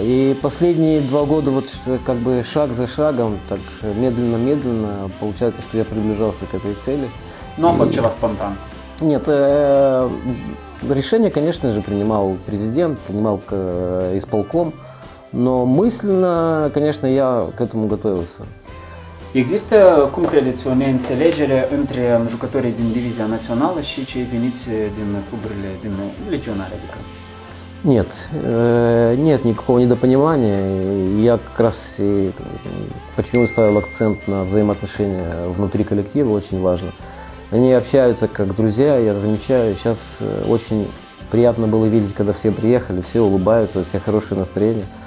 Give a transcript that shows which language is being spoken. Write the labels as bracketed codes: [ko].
[ru] И последние 2 года, вот как бы шаг за шагом, так медленно-медленно, получается, что я приближался к этой цели. Ну, а вчера спонтан? Нет. Решение, конечно же, принимал президент, принимал исполком. Но мысленно, конечно, я к этому готовился. [ro] Există cum credeți o neînțelegere între jucătorii din divizia națională și cei veniți din cluburile din legionari, adică? [ru] Нет, нет никакого недопонимания. Я как раз и почему ставил акцент на взаимоотношения внутри коллектива, очень важно. Они общаются как друзья, я замечаю, сейчас очень приятно было видеть, когда все приехали, все улыбаются, у всех хорошее настроение.